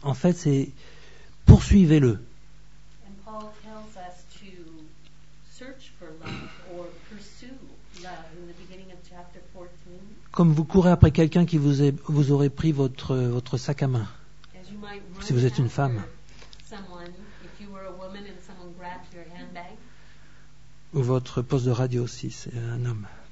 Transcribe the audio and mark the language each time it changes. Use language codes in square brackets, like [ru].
[fr] En fait, c'est poursuivez-le. [en] And Paul tells us to search for love or pursue love in the beginning of chapter 14. [fr] Comme vous courez après quelqu'un qui vous aurait pris votre sac à main, [en] as you might run [fr] si vous êtes une femme, [en] someone, if you were a woman and someone grabbed your handbag, [fr] ou votre poste de radio si c'est un homme.